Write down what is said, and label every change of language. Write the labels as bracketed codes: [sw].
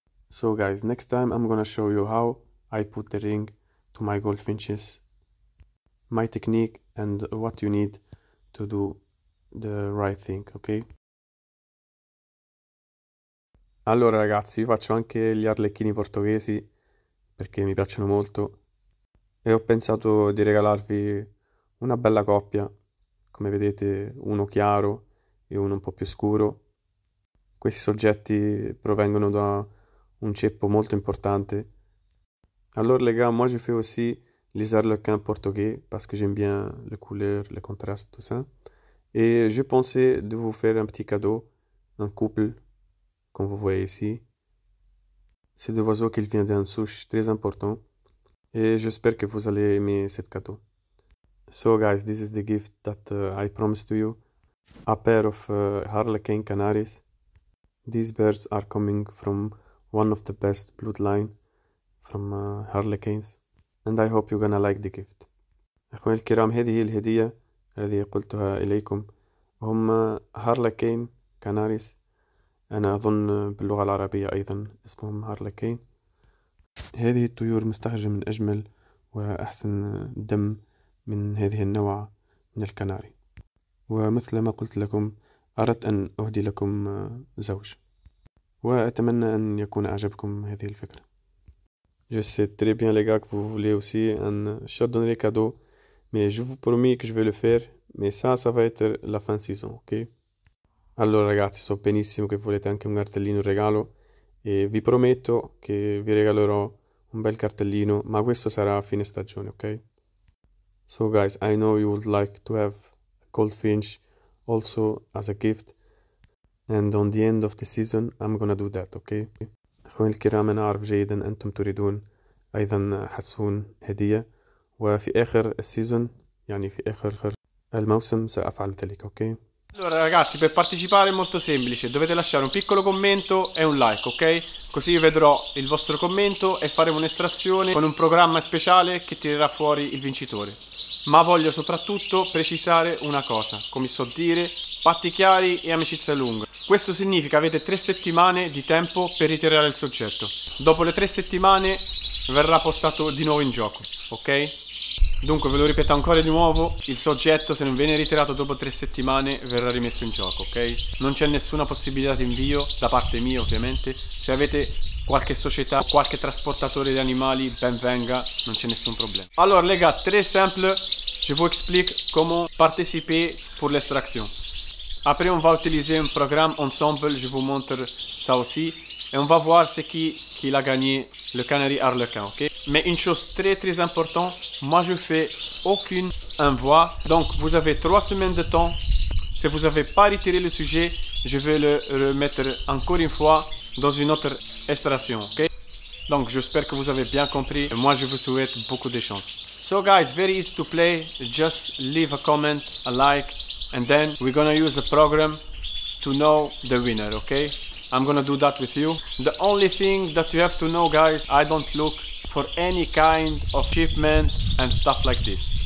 [en] So guys, next time I'm gonna show you how I put the ring to my goldfinches. my technique and what you need to do the right thing, ok? [it] Allora ragazzi, io faccio anche gli arlecchini portoghesi perché mi piacciono molto e ho pensato di regalarvi una bella coppia, come vedete uno chiaro e uno un po' più scuro. Questi soggetti provengono da un ceppo molto importante. Allora legamo, [fr] moi je fais aussi les arlequins portugais parce que j'aime bien le couleur, le contraste, tout ça. Et je pensais de vous faire un petit cadeau, un couple, comme vous voyez ici. C'est deux oiseaux qui viennent d'un souche très important. Et j'espère que vous allez aimer ce cadeau. [en] So guys, this is the gift that I promised to you. A pair of harlequin canaries. These birds are coming from one of the best bloodline from harlequins. And I hope you're gonna like the gift. [ar] أخوان الكرام هذه الهدية التي قلتها إليكم هم هارلكين كاناريس أنا أظن باللغة العربية أيضا اسمهم هارلكين. هذه الطيور مستخرجة من أجمل وأحسن دم من هذه النوع من الكناري ومثل ما قلت لكم أردت أن أهدي لكم زوج وأتمنى أن يكون أعجبكم هذه الفكرة. [fr] Je sais très bien les gars que vous voulez aussi un chardonnay cadeau, mais je vous promets que je vais le faire, mais ça va être la fin saison, ok? [it] Allora ragazzi, so benissimo che volete anche un cartellino regalo e vi prometto che vi regalerò un bel cartellino, ma questo sarà a fine stagione, ok? [en] So guys, I know you would like to have a goldfinch also as a gift, and on the end of the season I'm gonna do that, ok? [ar] أخواني الكرام أنا أعرف جيدا أنتم تريدون أيضا حسون هدية وفي آخر السيزون يعني في آخر الموسم سأفعل ذلك أوكي؟ okay? [it] Allora ragazzi, per partecipare è molto semplice, dovete lasciare un piccolo commento e un like, ok? Così io vedrò il vostro commento e faremo un'estrazione con un programma speciale che tirerà fuori il vincitore. Ma voglio soprattutto precisare una cosa, come so dire, patti chiari e amicizia lunga. Questo significa avete 3 settimane di tempo per ritirare il soggetto. Dopo le 3 settimane verrà postato di nuovo in gioco, ok? Dunque, ve lo ripeto ancora di nuovo, il soggetto se non viene ritirato dopo 3 settimane verrà rimesso in gioco, ok? Non c'è nessuna possibilità di invio da parte mia, ovviamente. Se avete qualche società o qualche trasportatore di animali, ben venga, non c'è nessun problema. [fr] Allora, les gars, très simple, je vous explique comment participer pour l'extraction. Après, on va utiliser un programme ensemble, je vous montre ça aussi. Et on va voir c'est qui l'a gagné, le canari harlequin, ok? Mais une chose très très importante, moi je fais aucune envoi. Donc vous avez 3 semaines de temps. Si vous n'avez pas retiré le sujet, je vais le remettre encore une fois dans une autre extraction, ok? Donc j'espère que vous avez bien compris. Et moi je vous souhaite beaucoup de chance. [en] So guys, very easy to play. Just leave a comment, a like, and then we're gonna use a program to know the winner, ok? I'm gonna do that with you. The only thing that you have to know, guys, I don't look for any kind of achievement and stuff like this.